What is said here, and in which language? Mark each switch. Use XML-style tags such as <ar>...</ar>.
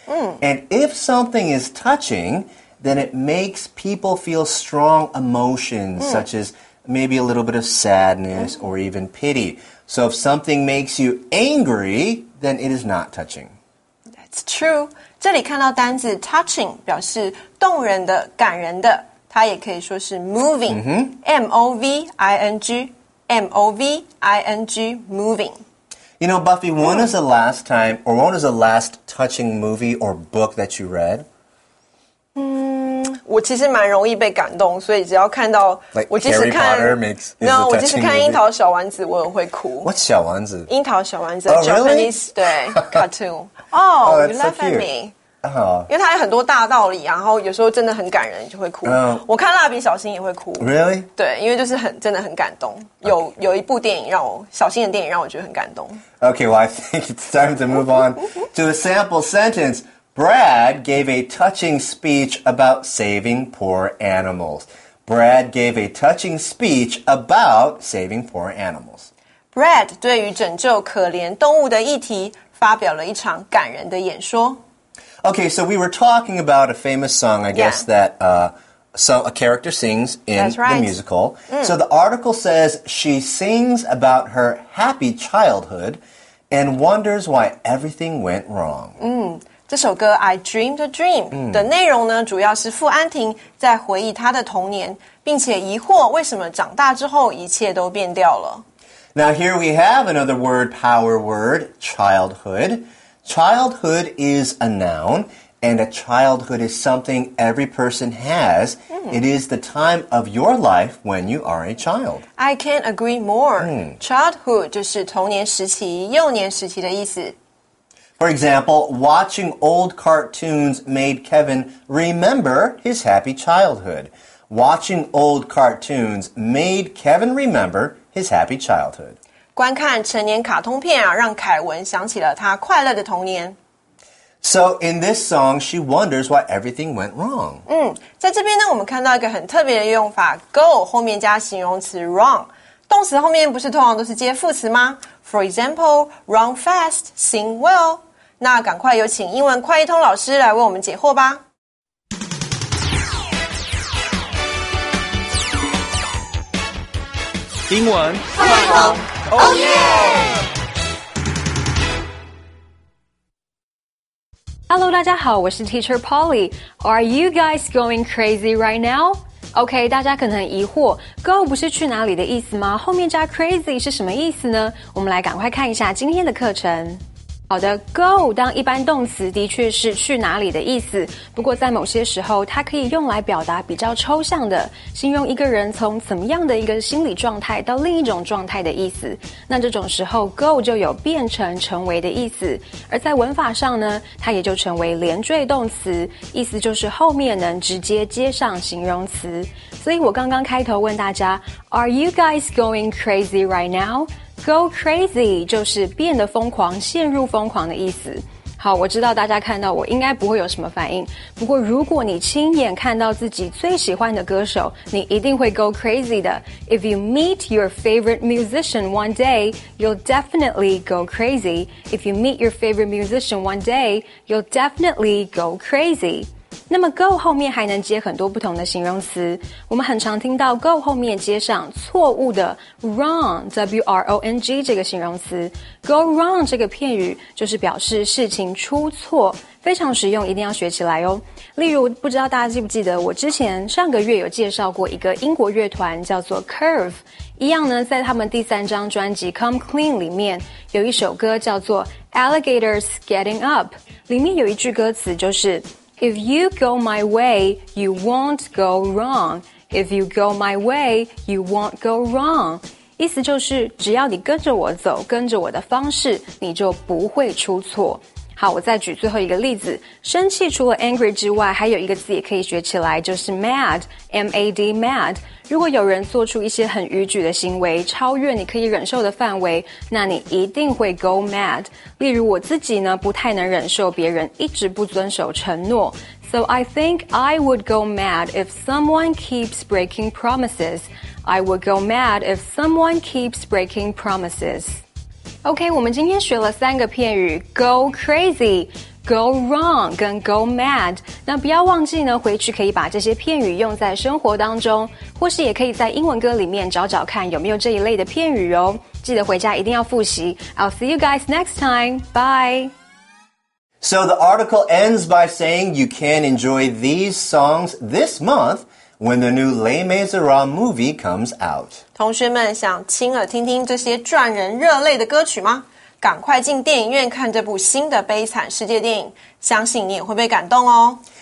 <en>And if something is touching... then it makes people feel strong emotions, such as maybe a little bit of sadness or even pity. So if something makes you angry, then it is not touching. That's true.</en> <zh>这里看到单字 touching 表示动人的、感人的，它也可以说是 moving,、M-O-V-I-N-G, M-O-V-I-N-G, moving.</zh> <en>You know, Buffy, when is the last time, or when is the last touching movie or book that you read?</en> <zh>我其实蛮容易被感动，所以只要看到、</zh> <en>like、</en> <zh>我即使看</zh> <en>Harry Potter makes</en> <zh>no， 我即使看樱桃小丸子，我也会哭。</zh> <en>What 小丸子？</en> <zh>樱桃小丸子、</zh> <en>oh, ，Japanese、 really?</en> <zh>对 cartoon。</zh> <en>Oh, you laugh at me. Oh.</en> <zh>因为它有很多大道理，然后有时候真的很感人，就会哭。我看蜡笔小新也会哭。</zh> <en>Really?</en> <zh>对，因为就是很真的很感动。有一部电影让我小新的电影让我觉得很感动。</zh> <en>Okay, well, I think it's time to move on to a sample sentence. Brad gave a touching speech about saving poor animals. Brad gave a touching speech about saving poor animals.</en> <zh>Brad 对于拯救可怜动物的议题发表了一场感人的演说。</zh> <en>Okay, so we were talking about a famous song, I guess, that so a character sings in the musical. So the article says she sings about her happy childhood and wonders why everything went wrong. Mm.</en> <zh>这首歌 I Dreamed a Dream 的内容呢主要是傅安婷在回忆她的童年并且疑惑为什么长大之后一切都变掉了。</zh> <en>Now here we have another word, power word, childhood. Childhood is a noun, and a childhood is something every person has. It is the time of your life when you are a child. I can't agree more.</en> <zh>Childhood 就是童年时期、幼年时期的意思。</zh> <en>For example, watching old cartoons made Kevin remember his happy childhood. Watching old cartoons made Kevin remember his happy childhood.</en> <zh>观看成年卡通片啊，让凯文想起了他快乐的童年。</zh> <en>So in this song, she wonders why everything went wrong.</en> <zh>在这边呢，我们看到一个很特别的用法 ,go 后面加形容词 wrong。动词后面不是通常都是接副词吗 ?</zh> <en>For example, run fast, sing well.</en> <zh>那赶快有请英文快译通老师来为我们解惑吧。英文快译通</zh> <en>,Oh yeah! Hello,</en> <zh>大家好我是</zh> <en>Teacher Polly. Are you guys going crazy right now?</en> <zh>OK, 大家可能很疑惑 go 不是去哪里的意思吗后面加 crazy 是什么意思呢我们来赶快看一下今天的课程。好的 go 当一般动词的确是去哪里的意思不过在某些时候它可以用来表达比较抽象的形容一个人从怎么样的一个心理状态到另一种状态的意思。那这种时候 go 就有变成成为的意思。而在文法上呢它也就成为连缀动词意思就是后面能直接接上形容词。所以我刚刚开头问大家</zh> <en>Are you guys going crazy right now?</en> <zh>Go crazy 就是变得疯狂陷入疯狂的意思好我知道大家看到我应该不会有什么反应不过如果你亲眼看到自己最喜欢的歌手你一定会 go crazy 的</zh> <en>If you meet your favorite musician one day You'll definitely go crazy</en> <zh>If you meet your favorite musician one day You'll definitely go crazy 那么 go 后面还能接很多不同的形容词。我们很常听到 go 后面接上错误的 wrong, W-R-O-N-G 这个形容词。 go wrong 这个片语就是表示事情出错，非常实用，一定要学起来哦。例如，不知道大家记不记得我之前上个月有介绍过一个英国乐团叫做 Curve。一样呢，在他们第三张专辑 Come Clean 里面有一首歌叫做 Alligators Getting Up， 里面有一句歌词就是</zh> <en>If you go my way, you won't go wrong.</en> <zh>If you go my way, you won't go wrong. 意思就是，只要你跟着我走，跟着我的方式，你就不会出错。好，我再举最后一个例子。生气除了 angry 之外，还有一个字也可以学起来，就是 mad, M-A-D, mad. 如果有人做出一些很逾矩的行为，超越你可以忍受的范围，那你一定会 go mad. 例如我自己呢，不太能忍受别人一直不遵守承诺。</zh> <en>So I think I would go mad if someone keeps breaking promises. I would go mad if someone keeps breaking promises.</en> <zh>OK, 我们今天学了三个片语 go crazy, go wrong, 跟 go mad. 那不要忘记呢，回去可以把这些片语用在生活当中，或是也可以在英文歌里面找找看有没有这一类的片语哦。记得回家一定要复习。</zh> <en>I'll see you guys next time. Bye. So the article ends by saying you can enjoy these songs this month when the new Les Miserables movie comes out.</en> <zh>同学们想亲耳听听这些赚人热泪的歌曲吗？赶快进电影院看这部新的悲惨世界电影，相信你也会被感动哦。</zh>